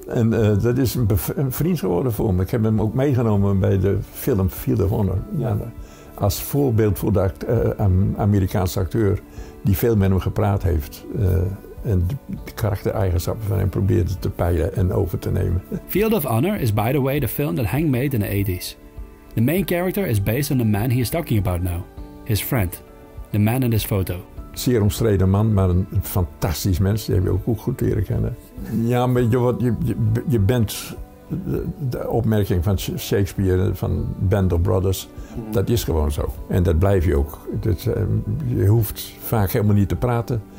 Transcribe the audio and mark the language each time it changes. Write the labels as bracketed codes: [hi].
[nl] En dat is een vriend geworden voor me. Ik heb hem ook meegenomen bij de film Field of Honor. Ja. Als voorbeeld voor de Amerikaanse acteur die veel met hem gepraat heeft. En de karaktereigenschappen van hem probeerde te peilen en over te nemen. [en] Field of Honor is by the way the film that Hank made in the 80s. The main character is based on the man he is talking about now. His friend. The man in this photo. [nl] Zeer omstreden man, maar een fantastisch mens. Die heb je ook goed leren kennen. Ja, maar je bent... De opmerking van Shakespeare, van Band of Brothers, dat is gewoon zo. En dat blijf je ook. Dus, je hoeft vaak helemaal niet te praten.